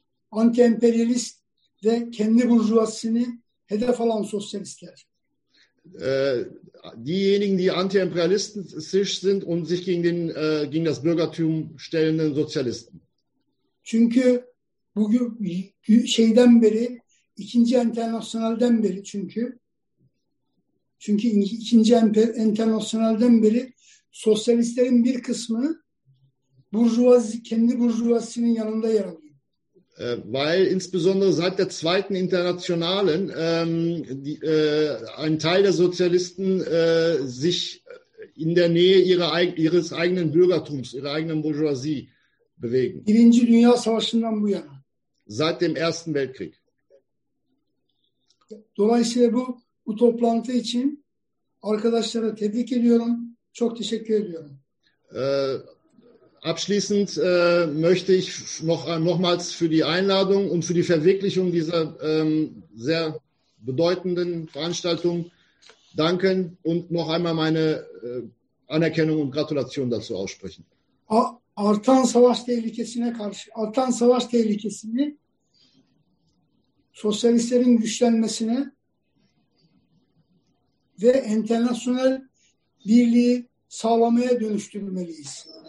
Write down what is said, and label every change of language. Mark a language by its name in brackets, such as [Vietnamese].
[Turkish] Anti-imperialist ve kendi burjuvasını hedef alan sosyalistler. [German] Diejenigen, die anti-imperialistisch sind und sich gegen das Bürgertum stellenden Sozialisten. [Turkish] Çünkü bugün şeyden beri, ikinci internasyonelden beri çünkü ikinci internasyonelden beri sosyalistlerin bir kısmı kendi burjuvazisinin yanında yer alıyor. [German] Weil insbesondere seit der zweiten Internationalen ein Teil der Sozialisten sich in der Nähe ihres eigenen Bürgertums, ihrer eigenen Bourgeoisie bewegen. [Turkish] Birinci Dünya Savaşı'ndan bu yana. [German] Seit dem Ersten Weltkrieg. [Turkish] Dolayısıyla bu toplantı için arkadaşlara tebrik ediyorum. Çok teşekkür ediyorum. [German] Abschließend möchte ich nochmals für die Einladung und für die Verwirklichung dieser sehr bedeutenden Veranstaltung danken und noch einmal meine Anerkennung und Gratulation dazu aussprechen. [Turkish] artan savaş tehlikesine karşı, artan savaş tehlikesini sosyalistlerin güçlenmesine ve internasyonel birliği sağlamaya dönüştürmeliyiz.